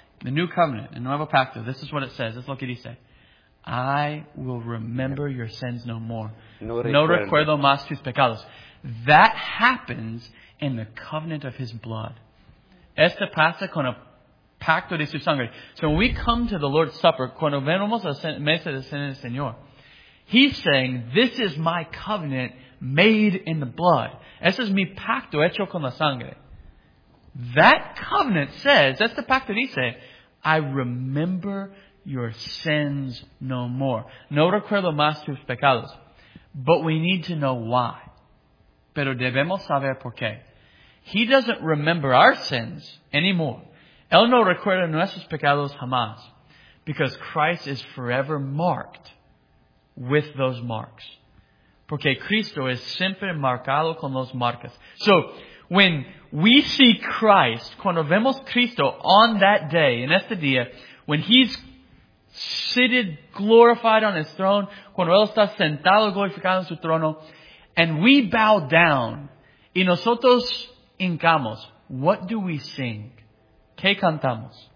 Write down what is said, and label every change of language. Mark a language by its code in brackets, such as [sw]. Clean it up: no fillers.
[en] The New Covenant, the [es] Nuevo Pacto, [en] this is what it says. This is [es] lo que dice. [en] I will remember your sins no more. [es] No recuerdo más tus pecados. [en] That happens in the covenant of his blood. [es] Esta pasa con el pacto de su sangre. [en] So when we come to the Lord's Supper, [es] cuando venimos a la mesa del Señor, [en] he's saying, this is my covenant made in the blood. [es] Ese es mi pacto hecho con la sangre. [en] That covenant says, [es] este pacto dice, [en] I remember your sins no more. [es] No recuerdo más tus pecados. [en] But we need to know why. [es] Pero debemos saber por qué. [en] He doesn't remember our sins anymore. [es] Él no recuerda nuestros pecados jamás. [en] Because Christ is forever marked with those marks. [es] Porque Cristo es siempre marcado con los marcas. [en] So, when we see Christ, [es] cuando vemos Cristo [en] on that day, [es] en este día, [en] when He's seated, glorified on His throne, [es] cuando Él está sentado, glorificado en su trono, [en] and we bow down, [es] y nosotros hincamos, [en] what do we sing? [es] ¿Qué cantamos?